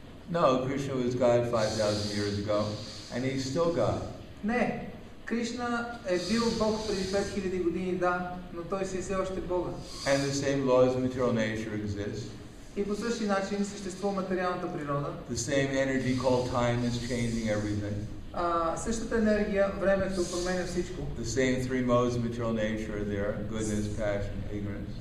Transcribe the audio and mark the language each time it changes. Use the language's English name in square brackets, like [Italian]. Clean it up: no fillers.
[English] No, Krishna was God 5000 years ago, and he's still God. [Bulgarian] Не. Кришна е бил Бог преди 5000 години, да, но той си е все още Бог. [English] And the same laws of material nature exist. [Bulgarian] И по същия начин съществува материалната природа. [English] The same energy called time is changing everything. [Bulgarian] Същата енергия, времето променя всичко. [English] The same three modes of material nature are there: goodness, passion, ignorance.